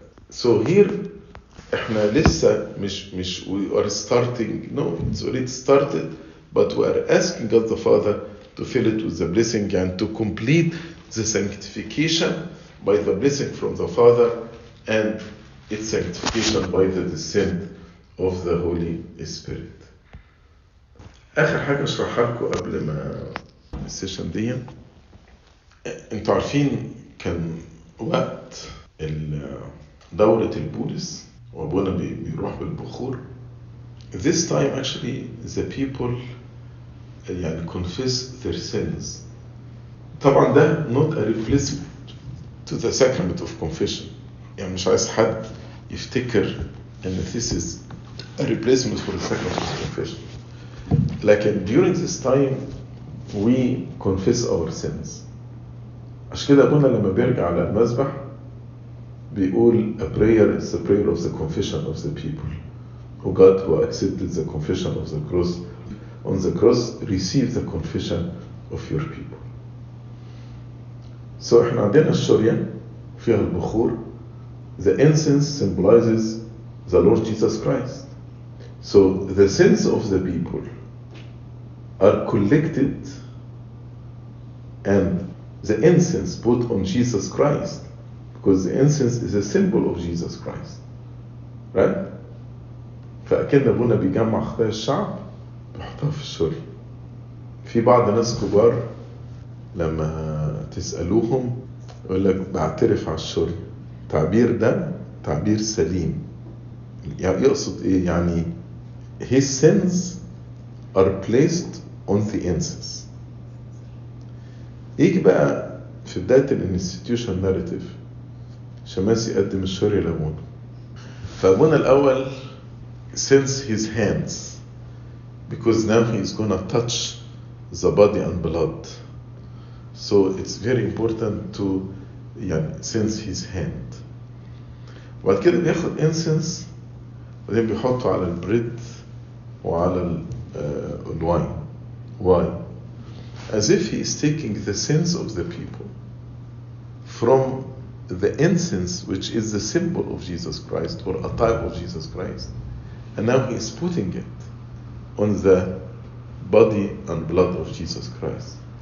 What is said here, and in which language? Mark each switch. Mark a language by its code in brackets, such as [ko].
[en] So here [ar] احنا لسه مش [en] we are starting, no, it's already started, but we are asking God the Father to fill it with the blessing and to complete the sanctification by the blessing from the Father and its sanctification by the descent of the Holy Spirit. [ar] اخر حاجة اشرحها لكم قبل ما السيشن دي, انتوا عارفين كان وقت دورة البولس وابونا بيروح بالبخور. [en] This time actually the people يعني confess their sins. [ar] طبعا ده [en] not a replacement to the sacrament of confession. [ar] يعني مش عايز حد يفتكر ان [en] this is a replacement for the sacrament of confession. [ar] لكن [en] during this time we confess our sins. [ar] عشان كده ابونا لما بيرجع على المذبح بيقول [en] a prayer, it's a prayer of the confession of the people. Oh God who accepted the confession of the cross, on the cross receive the confession of your people. [ar] So احنا عندنا الشريان فيها البخور. [en] The incense symbolizes the Lord Jesus Christ. So the sins of the people are collected and the incense put on Jesus Christ. Because the incense is a symbol of Jesus Christ. Right? [ar] فأكيد أبونا بيجمع خطايا الشعب بيحطها في الشوري. في بعض ناس كبار لما تسألوهم يقول لك بعترف على الشوري. تعبير ده تعبير سليم. يعني يقصد إيه؟ يعني [en] his sins are placed on the incense. [ar] يجي بقى في بداية الانستيتيوشن ناريتيف شماسي يقدم الشوري لأبونا. فأبونا الأول [en] sends his hands because now he is gonna touch the body and blood. So it's very important to sends his hand. [ar] بعد كده بياخد incense وبعدين بيحطه على البريد وعلى الواين. [en] Why? As if he is taking the sins of the people from the incense, which is the symbol of Jesus Christ or a type of Jesus Christ, and now he is putting it on the body and blood of Jesus Christ.